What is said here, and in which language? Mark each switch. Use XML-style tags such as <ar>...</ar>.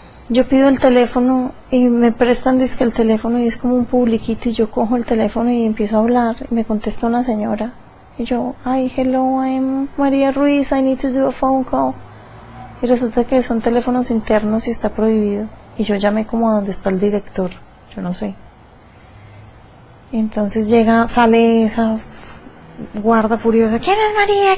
<es>Yo pido el teléfono y me prestan dizque el teléfono y es como un publiquito y yo cojo el teléfono y empiezo a hablar y me contesta una señora. Y yo, ay,</es> <en>hello, I'm María Ruiz, I need to do a phone call.</en> <es>Y resulta que son teléfonos internos y está prohibido. Y yo llamé como a donde está el director, yo no sé. Entonces llega, sale esa guarda furiosa, ¿quién es María?</es>